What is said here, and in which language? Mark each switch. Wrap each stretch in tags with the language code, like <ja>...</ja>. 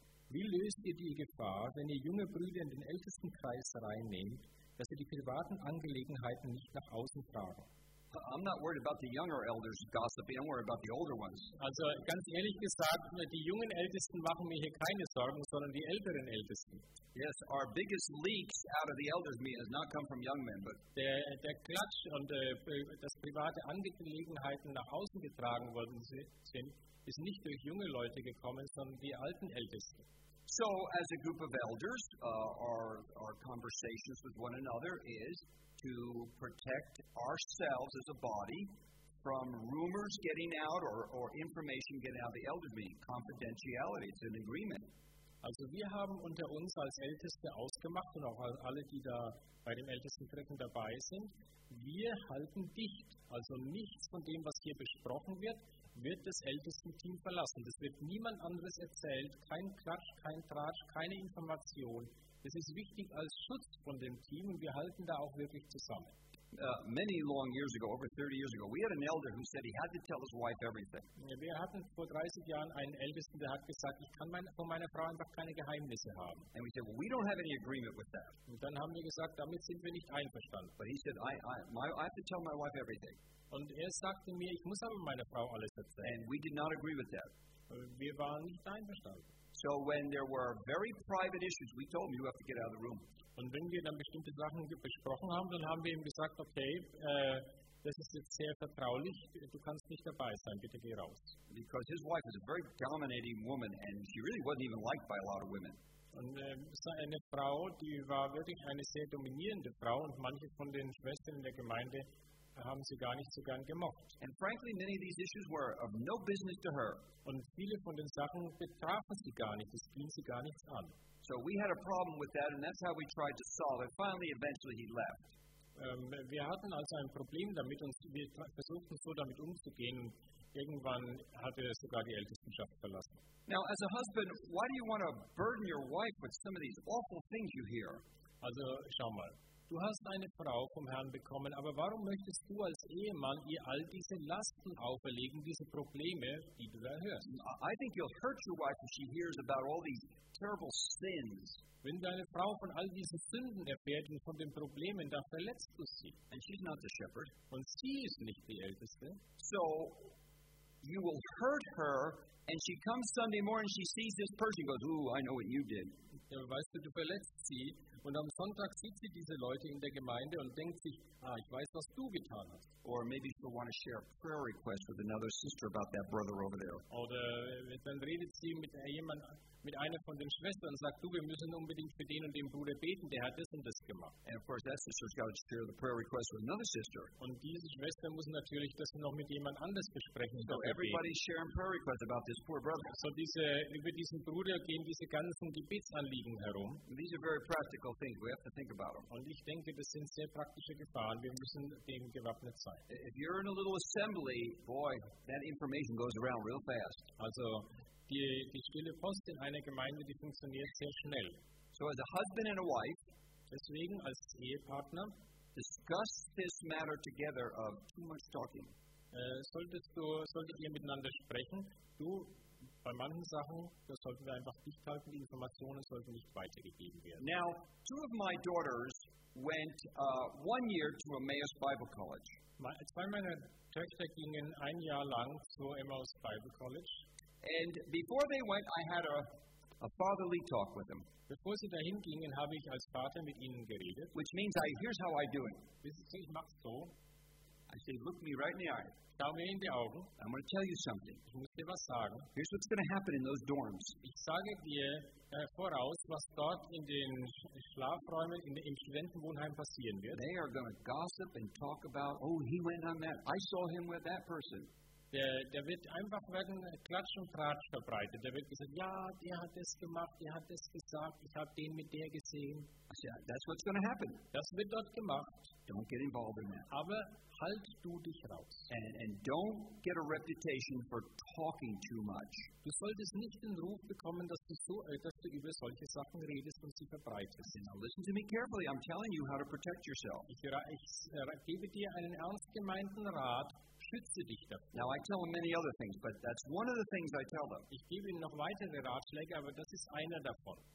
<de>Wie löst ihr die Gefahr, wenn ihr junge Brüder in den ältesten Kreis reinnehmt, dass ihr die privaten Angelegenheiten nicht nach außen tragen?</de> <en>I'm not worried about the younger elders gossiping. I'm worried about the older ones.</en> <de>Also, ganz ehrlich gesagt, die jungen Ältesten machen mir hier keine Sorgen, sondern die älteren Ältesten.</de> <en>Yes, our biggest leaks out of the elders' meeting has not come from young men, but</en> <de>der Klatsch und das private Angelegenheiten nach außen getragen worden sind, ist nicht durch junge Leute gekommen, sondern die alten Ältesten.</de> <en>So, as a group of elders, our conversations with one another is to protect ourselves as a body from rumors getting out or information getting out of the elders' meeting. Confidentiality, it's an agreement.</en> <de>Also wir haben unter uns als Älteste ausgemacht und auch alle, die da bei dem Ältestentreffen dabei sind, wir halten dicht. Also nichts von dem, was hier besprochen wird, wird das Ältestenteam verlassen. Das wird niemand anderes erzählt. Kein Klatsch, kein Tratsch, keine Information. Das ist wichtig als Schutz von dem Team und wir halten da auch wirklich zusammen.</de> <en>Many long years ago, over 30 years ago, we had an elder who said he had to tell his wife everything.</en> <de>Wir hatten vor 30 Jahren einen Ältesten, der hat gesagt, ich kann von meiner Frau einfach keine Geheimnisse haben.</de> <en>And we said, well, we don't have any agreement with that.</en> <de>Und dann haben wir gesagt, damit sind wir nicht einverstanden.</de> <en>But he said, I have to tell my wife everything.</en> <de>Und sagte mir, ich muss aber meiner Frau alles erzählen.</de> <en>And we did not agree with that.</en> <de>Wir waren nicht einverstanden.</de> <en>So when there were very private issues, we told him, you have to get out of the room.</en> <de>Und wenn wir dann bestimmte Sachen besprochen haben, dann haben wir ihm gesagt, okay, das ist jetzt sehr vertraulich, du kannst nicht dabei sein, bitte geh raus.</de> <en>Because his wife is a very dominating woman and she really wasn't even liked by a lot of women.</en> <de>Und seine Frau, die war wirklich eine sehr dominierende Frau und manche von den Schwestern in der Gemeinde haben sie gar nicht so gern gemocht.</de> <en>And frankly, many of these issues were of no business to her.</en> <de>Und viele von den Sachen betrafen sie gar nicht, es ging sie gar nichts an.</de> <en>So we had a problem with that, and that's how we tried to solve it. Finally, eventually, he left.</en> <de>Wir hatten also ein Problem damit, und wir versuchten so damit umzugehen. Irgendwann hat er sogar die Ältestenschaft verlassen.</de> <en>Now, as a husband, why do you want to burden your wife with some of these awful things you hear?</en> <de>Also, schau mal. Du hast eine Frau vom Herrn bekommen, aber warum möchtest du als Ehemann ihr all diese Lasten auferlegen, diese Probleme, die du da hörst?</de> <en>I think you'll hurt your wife if she hears about all these terrible sins.</en> <de>Wenn deine Frau von all diesen Sünden erfährt und von den Problemen, dann verletzt du sie.</de> <en>And she's not the shepherd.</en> <de>Und sie ist nicht die Älteste.</de> <en>So, you will hurt her, and she comes Sunday morning, she sees this person, goes, ooh, I know what you did.</en> <de>Ja, weißt du verletzt sie Und am Sonntag sieht sie diese Leute in der Gemeinde und denkt sich, ah, ich weiß, was du getan hast.</de> <en>Or maybe she'll want to share a prayer request with another sister about that brother over there.</en> <de>Oder dann redet sie mit einer von den Schwestern und sagt, du, wir müssen unbedingt für den und den Bruder beten, der hat das und das gemacht.</de> <en>And of course, that sister's got to share the prayer request with another sister.</en> <de>Und diese Schwester muss natürlich das noch mit jemand anders besprechen.</de> <en>So everybody's sharing prayer requests about this poor brother.</en> <de>So diese, über diesen Bruder gehen diese ganzen Gebetsanliegen herum.</de> <en>And these are very practical things. We have to think about them.</en> <de>Und ich denke, das sind sehr praktische Gefahren. Wir müssen dem gewappnet sein.</de> <en>If you're in a little assembly, boy, that information goes around real fast.</en> <de>Also, die stille Post in einer Gemeinde, die funktioniert sehr schnell.</de> <en>So as a husband and a wife,</en> <de>deswegen als Ehepartner,</de> <en>discuss this matter together of too much talking.</en> <de>Solltet ihr miteinander sprechen, du, bei manchen Sachen, das sollten wir einfach dicht halten, die Informationen sollten nicht weitergegeben werden.</de> <en>Now, two of my daughters went one year to Emmaus Bible College.</en> <de>Zwei meiner Töchter gingen ein Jahr lang zu Emmaus Bible College.</de> <en>And before they went, I had a fatherly talk with them.</en> <de>Bevor sie dahin gingen, habe ich als Vater mit ihnen geredet.</de> <en>Which means, here's how I do it.</en> <de>Ich mach's so.</de> <en>I say, look me right in the eye.</en> <de>Schau mir in die Augen.</de> <en>I'm going to tell you something.</en> <de>Ich muss dir was sagen.</de> <en>Here's what's going to happen in those dorms.</en> <de>Ich sage dir voraus, was dort in den Schlafräumen, im Studentenwohnheim passieren wird.</de> <en>They are going to gossip and talk about, oh, he went on that. I saw him with that person.</en> <de>Der wird einfach werden Klatsch und Tratsch verbreitet. Der wird gesagt, ja, der hat das gemacht, der hat das gesagt, ich habe den mit der gesehen.</de> <en>Yeah, that's what's going to happen.</en> <de>Das wird dort gemacht.</de> <en>Don't get involved in that.</en> <de>Aber halt du dich raus.</de> <en>And don't get a reputation for talking too much.</en> <de>Du solltest nicht den Ruf bekommen, dass du so öfterst, über solche Sachen redest und sie verbreitest.</de> <en>Now listen to me carefully. I'm telling you how to protect yourself.</en> <de>Ich gebe dir einen ernst gemeinten Rat.</de> <en>Now, I tell them many other things, but that's one of the things I tell them.</en> <de>Ich gebe ihnen noch weitere Ratschläge, aber das ist einer davon.</de>